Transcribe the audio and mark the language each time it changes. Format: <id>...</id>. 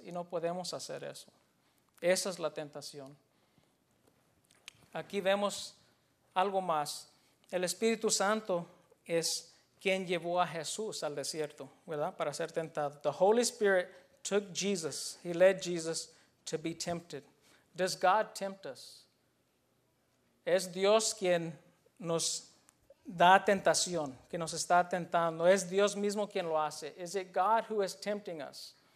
<es>Y no podemos hacer eso. Esa es la tentación. Aquí vemos algo más. El Espíritu Santo es quien llevó a Jesús al desierto, ¿verdad? Para ser tentado.</es> <en>The Holy Spirit took Jesus. He led Jesus to be tempted. Does God tempt us?</en> <es>¿Es Dios quien nos da tentación, que nos está tentando? ¿Es Dios mismo quien lo hace?</es> <en>Is it God who is tempting us?</en>